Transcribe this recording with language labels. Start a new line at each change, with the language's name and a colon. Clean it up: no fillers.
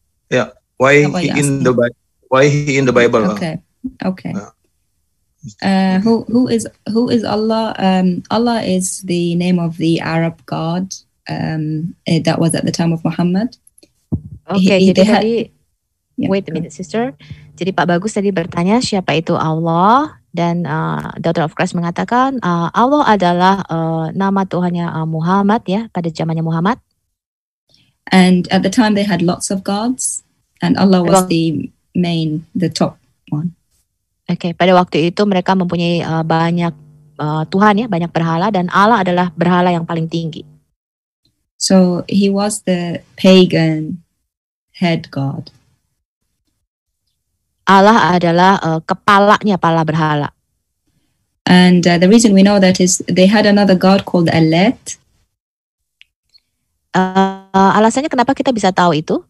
English: Yeah, why he in the Bible? Why he in the Bible? Okay. Who is Allah? Allah is the name of the Arab God that was at the time of Muhammad. Wait a minute, sister.
Indonesian: Jadi Pak Bagus tadi bertanya siapa itu Allah, dan Daughter of Christ mengatakan Allah adalah nama Tuhannya Muhammad ya, pada zamannya Muhammad.
English: And at the time they had lots of gods, and Allah was the top one.
Indonesian: Okay, pada waktu itu mereka mempunyai banyak Tuhan ya, banyak berhala, dan Allah adalah berhala yang paling tinggi.
English: So he was the pagan head god.
Indonesian: Allah adalah kepalanya, kepala berhala.
English: And the reason we know that is they had another god called Alet.
Indonesian: Alasannya kenapa kita bisa tahu itu?